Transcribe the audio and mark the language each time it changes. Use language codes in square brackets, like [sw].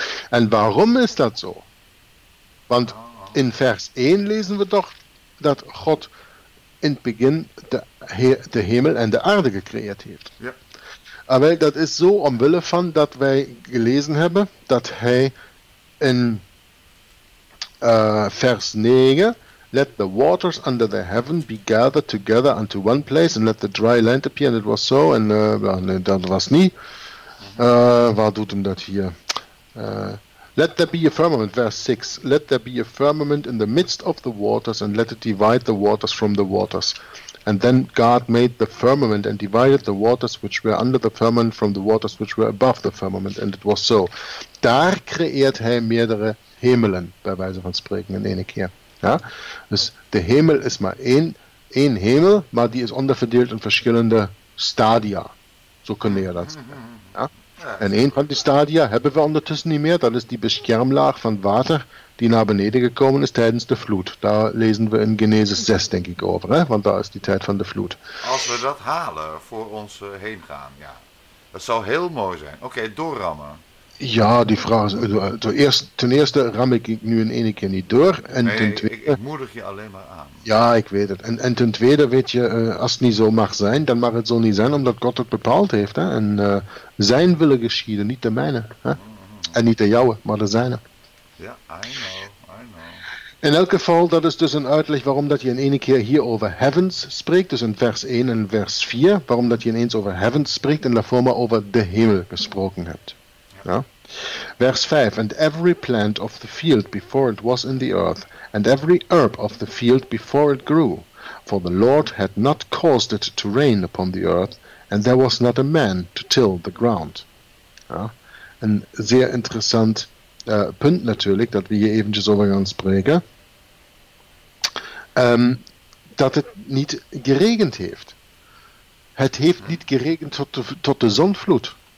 [nl] En waarom is dat zo? Want in vers 1 lezen we toch dat God in het begin de hemel en de aarde gecreëerd heeft. Ja. Maar dat is zo omwille van dat wij gelezen hebben dat hij in vers 9... [en] Let the waters under the heaven be gathered together unto one place, and let the dry land appear. And it was so, and that was nie. [nl] Waar doet hem dat hier? [en] Let there be a firmament, verse 6. Let there be a firmament in the midst of the waters, and let it divide the waters from the waters. And then God made the firmament, and divided the waters which were under the firmament from the waters which were above the firmament. And it was so. [nl] Daar creëert hij meerdere hemelen, bij wijze van spreken, in ene keer. Ja, dus de hemel is maar één hemel, maar die is onderverdeeld in verschillende stadia. Zo kunnen we dat zeggen. Ja? En één van die stadia hebben we ondertussen niet meer. Dat is die beschermlaag van water die naar beneden gekomen is tijdens de vloed. Daar lezen we in Genesis 6, denk ik, over. Hè? Want daar is die tijd van de vloed. Als we dat halen voor ons heen gaan, ja. Dat zou heel mooi zijn. Oké, doorrammen. Ja, die vraag is, ten eerste ram ik nu in één keer niet door. En nee, ten tweede, ik moedig je alleen maar aan. Ja, ik weet het. En ten tweede, weet je, als het niet zo mag zijn, dan mag het zo niet zijn, omdat God het bepaald heeft. Hè? En zijn willen geschieden, niet de mijne. Hè? Mm-hmm. En niet de jouwe, maar de zijne. [en] Ja, I know. [nl] In elk geval, dat is dus een uitleg waarom dat je in één keer hier over heavens spreekt, dus in vers 1 en vers 4, waarom dat je ineens over heavens spreekt en daarvoor maar over de hemel gesproken hebt. Ja. [en] Vers 5, and every plant of the field before it was in the earth, and every herb of the field before it grew, for the Lord had not caused it to rain upon the earth, and there was not a man to till the ground. [nl] Ja. Een zeer interessant punt natuurlijk, dat we hier eventjes over gaan spreken, dat het niet geregend heeft. Het heeft niet geregend tot de zonvloed.